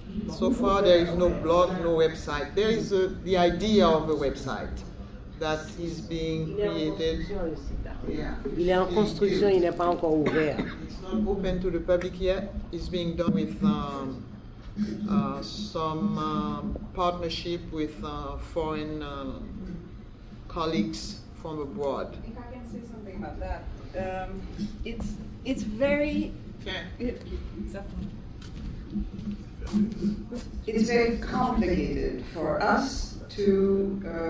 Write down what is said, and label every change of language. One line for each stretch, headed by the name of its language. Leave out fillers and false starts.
English: So far, there is no blog, no website. There is the idea of a website that is being created.
French: Il est en construction, il n'est pas encore ouvert.
English: It's not open to the public yet. It's being done with some partnership with foreign colleagues from abroad. If I can say something about that, it's very complicated for us to